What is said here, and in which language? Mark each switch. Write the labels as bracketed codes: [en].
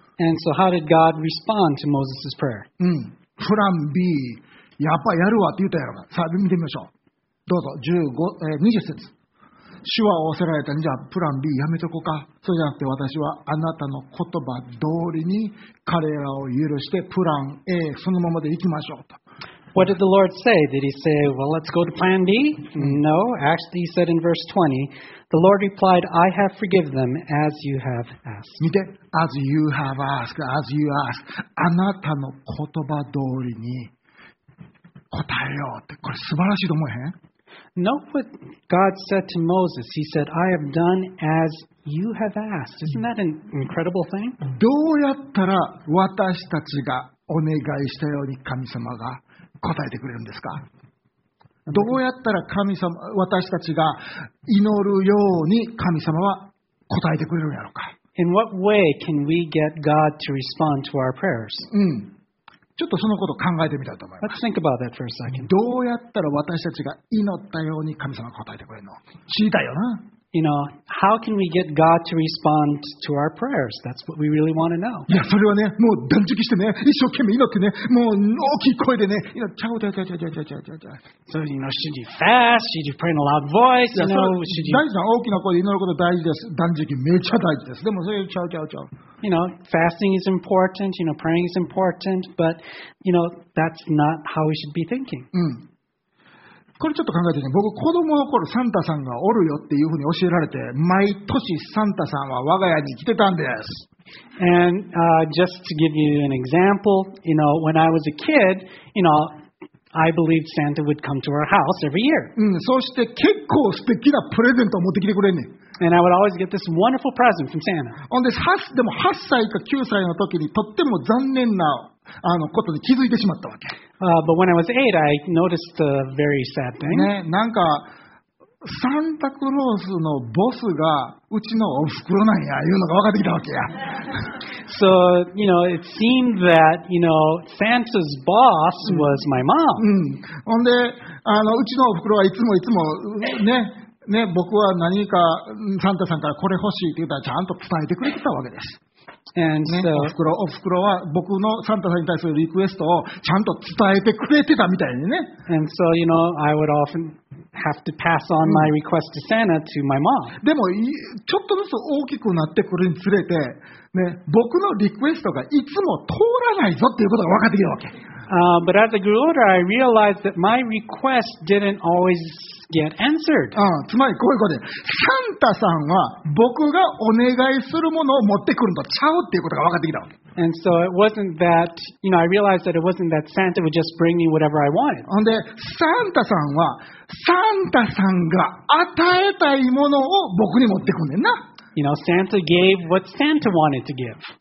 [en] And so how did God respond to Moses' prayer? [ja] プラン B。やっぱやるわって言ったやろ。さあ見てみましょう。どうぞ。15、20節。主は仰せられたんじゃプラン B やめとこうか、そうじゃなくて私はあなたの言葉通りに彼らを許してプラン A そのままで行きましょうと。 [en] What did the Lord say? Did he say, well, let's go to plan B? No, actually he said in verse 20, the Lord replied, I have forgiven them as you have asked. [ja] 見て、 [en] as you have asked, as you ask, [ja] あなたの言葉通りに答えようって、これ素晴らしいと思えへん？ [en] Note what God said to Moses. He said, I have done as you have asked. Isn't that an incredible thing? [ja] どうやったら私たちがお願いしたように神様が答えてくれるんですか？どうやったら神様、私たちが祈るように神様は答えてくれるんやろうか？ [en] In what way can we get God to respond to our prayers? うん。 [ja] ちょっとそのことを考えてみたいと思います。 [en] Let's think about that for a second. [ja] どうやったら私たちが祈ったように神様が答えてくれるの？知りたいよな。 [en] You know, how can we get God to respond to our prayers? That's what we really want to know. [ja] いや、それはね、もう断食してね、一生懸命祈ってね、もう大きい声でね、祈っちゃうちゃうちゃうちゃうちゃうちゃうちゃう。 [en] So, you know, should you fast? Should you pray in a loud voice? You know, should you... [ja] 大事な大きな声で祈ること大事です。断食めっちゃ大事です。でもそれちゃうちゃうちゃう。 [en] You know, fasting is important, you know, praying is important, but, you know, that's not how we should be thinking. うん。 [ja] これちょっと考えてね、僕子供の頃サンタさんがおるよっていうふうに教えられて、毎年サンタさんは我が家に来てたんです。 [en] And, just to give you an example, you know, when I was a kid, you know, I believed Santa would come to our house every year. [ja] うん、そして結構素敵なプレゼントを持ってきてくれんねん。 [en] And I would always get this wonderful present from Santa. [ja] でも8歳か9歳の時にとっても残念なあのことに気づいてしまったわけ。 [en] But when I was 8, I noticed a very sad thing. [ja] ね、なんかサンタクロースのボスがうちのおふくろなんやいうのが分かってきたわけや。 [en] So, you know, it seemed that, you know, Santa's boss was my mom. うん。 [ja] ほんで、あのうちのおふくろはいつもね。ね、僕は何かサンタさんからこれ欲しいって言ったらちゃんと伝えてくれてたわけです。 [en] And so, [ja] ね、おふくろは僕のサンタさんに対するリクエストをちゃんと伝えてくれてたみたいにね。 [en] And so, you know, I would often have to pass on my request to Santa to my mom. [ja] でも、ちょっとずつ大きくなってくるにつれて、ね、僕のリクエストがいつも通らないぞっていうことが分かってきたわけ。 [en] But as I grew older, I realized that my request didn't always get answered. [ja] つまりこういうことで、サンタさんは僕がお願いするものを持ってくるとちゃうっていうことが分かってきたわけ。 [en] And so it wasn't that, you know, I realized that it wasn't that Santa would just bring me whatever I wanted. [ja] ほんで、サンタさんは、サンタさんが与えたいものを僕に持ってくんねんな。 [en] You know, Santa gave what Santa wanted to give.